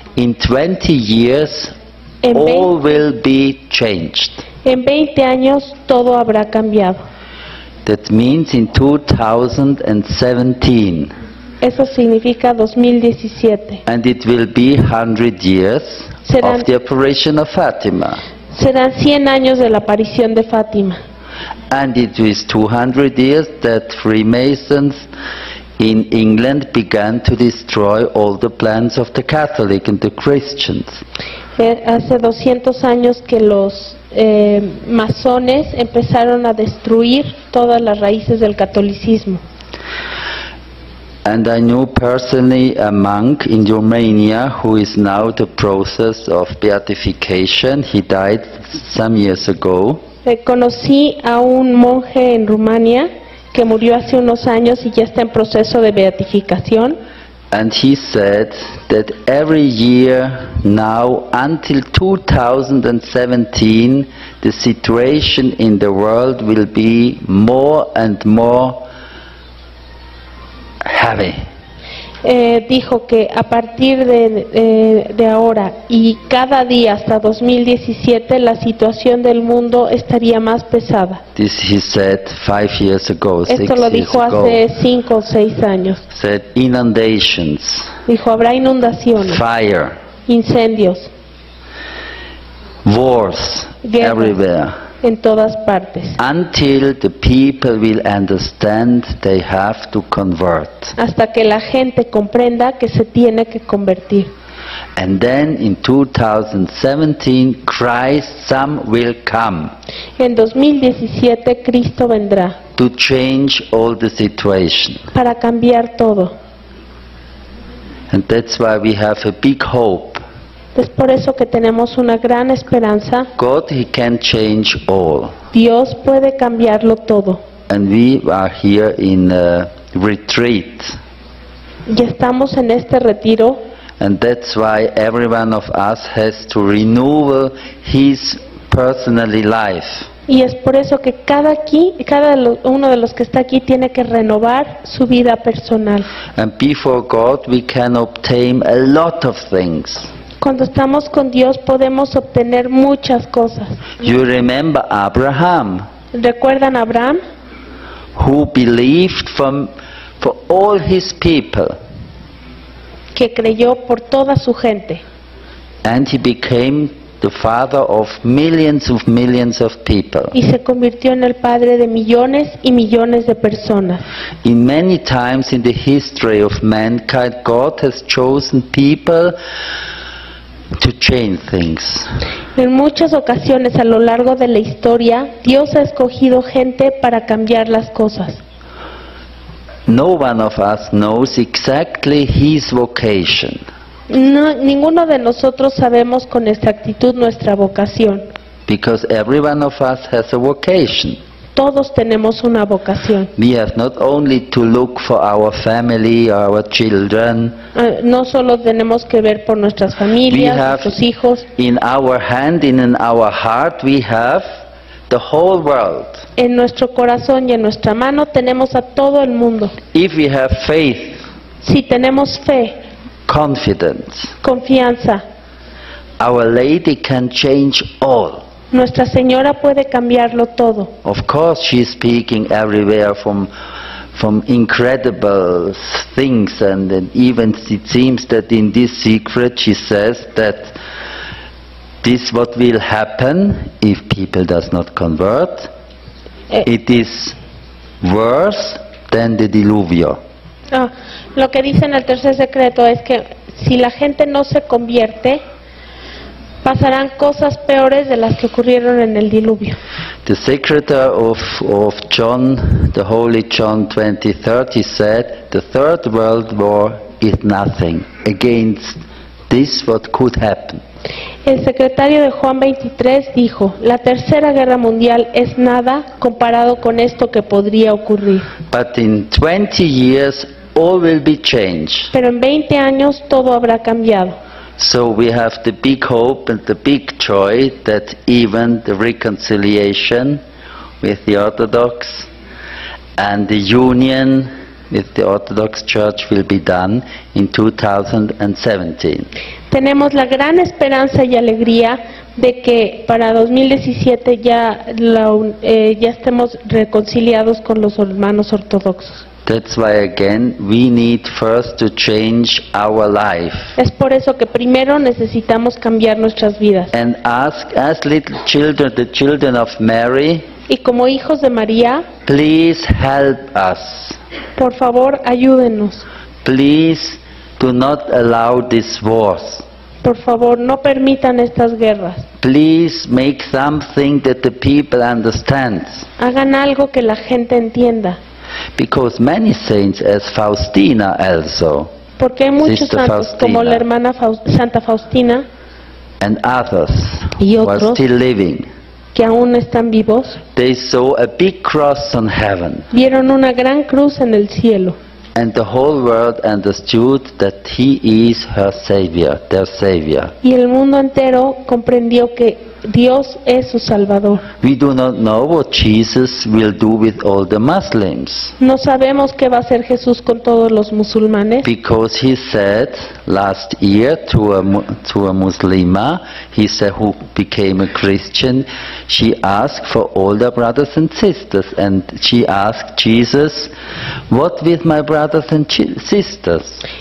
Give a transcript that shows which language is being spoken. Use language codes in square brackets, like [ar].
[en] In 20 years, all will be changed. [es] En 20 años todo habrá cambiado. [en] That means in 2017. [es] Eso significa 2017. [en] And it will be 100 years of the apparition of Fatima. [es] Serán 100 años de la aparición de Fátima. [en] And it is 200 years that Freemasons in England began to destroy all the plans of the Catholic and the Christians. [es] Hace 200 años que los masones empezaron a destruir todas las raíces del catolicismo. [en] And I knew personally a monk in Romania who is now the process of beatification. He died some years ago. [es] Conocí a un monje en Rumania que murió hace unos años y ya está en proceso de beatificación. [en] And he said that every year now until 2017 the situation in the world will be more and more clave. [es] Dijo que a partir de ahora y cada día hasta 2017 la situación del mundo estaría más pesada. [en] This he said 5 years ago, [es] esto lo dijo hace 5 o 6 años. [en] Said inundations, [es] dijo habrá inundaciones, [en] fire, [es] incendios, [en] wars, [es] guerras, [en] everywhere, [es] en todas partes. [en] Until the people will understand they have to convert. [es] Hasta que la gente comprenda que se tiene que convertir. [en] And then in 2017 Christ some will come. [es] En 2017 Cristo vendrá. [en] To change all the situation. [es] Para cambiar todo. [en] And that's why we have a big hope. [es] Es por eso que tenemos una gran esperanza. [en] God, he can change all. [es] Dios puede cambiarlo todo. [en] And we are here in a retreat. [es] Y estamos en este retiro. [en] And that's why every one of us has to renew his personal life. [es] Y es por eso que cada uno de los que está aquí tiene que renovar su vida personal. [en] And before God we can obtain a lot of things. [es] Cuando estamos con Dios podemos obtener muchas cosas. [en] You remember Abraham? [es] ¿Recuerdan a Abraham? [en] Who believed for all his people. [es] Que creyó por toda su gente. [en] And he became the father of millions of millions of people. [es] Y se convirtió en el padre de millones y millones de personas. [en] In many times in the history of mankind, God has chosen people to change things. [es] En muchas ocasiones a lo largo de la historia, Dios ha escogido gente para cambiar las cosas. [en] No one of us knows exactly his vocation. [es] No, ninguno de nosotros sabemos con exactitud nuestra vocación. [en] Because every one of us has a vocation. [es] Todos tenemos una vocación. [en] We have not only to look for our family, our children. [es] No solo tenemos que ver por nuestras familias, nuestros hijos. [en] In our hand, in our heart, we have the whole world. [es] En nuestro corazón y en nuestra mano tenemos a todo el mundo. [en] If we have faith. [es] Si tenemos fe. [en] Confidence. [es] Confianza. [en] Our Lady can change all. [es] Nuestra Señora puede cambiarlo todo. [en] Of course she is speaking everywhere from incredible things and even it seems that in this secret she says that this what will happen if people does not convert. It is worse than the diluvio. [es] Lo que dice en el tercer secreto es que si la gente no se convierte pasarán cosas peores de las que ocurrieron en el diluvio. [en] The secretary of John, the holy John 20:30, said the third world war is nothing against this what could happen. [es] El secretario de Juan 23 dijo, la tercera guerra mundial es nada comparado con esto que podría ocurrir. [en] But in 20 years all will be changed. [es] Pero en 20 años todo habrá cambiado. [en] So we have the big hope and the big joy that even the reconciliation with the Orthodox and the union with the Orthodox Church will be done in 2017. [es] Tenemos la gran esperanza y alegría de que para 2017 ya estemos reconciliados con los hermanos ortodoxos. [en] That's why again we need first to change our life. [es] Es por eso que primero necesitamos cambiar nuestras vidas. [en] And ask as little children, the children of Mary. [es] Y como hijos de María. [en] Please help us. [es] Por favor, ayúdenos. [en] Please do not allow this wars. [es] Por favor, no permitan estas guerras. [en] Please make something that the people understand. [es] Hagan algo que la gente entienda. [en] Because many saints, as Faustina also, [es] porque hay muchos [en] Sister [es] santos Faustina, como la hermana Santa Faustina, [en] and others, [es] y otros, [en] who are still living, [es] que aún están vivos, [en] they saw a big cross on heaven, [es] vieron una gran cruz en el cielo, [en] and the whole world understood that he is her savior, their savior. [es] Y el mundo entero comprendió que Dios es su salvador. [en] We do not know what Jesus will do with all the Muslims. [es] No sabemos qué va a hacer Jesús con todos los musulmanes. [en] Because he said last year to a Muslima, he said who became a Christian, she asked for all the brothers and sisters, and she asked Jesus, what with my brothers and sisters?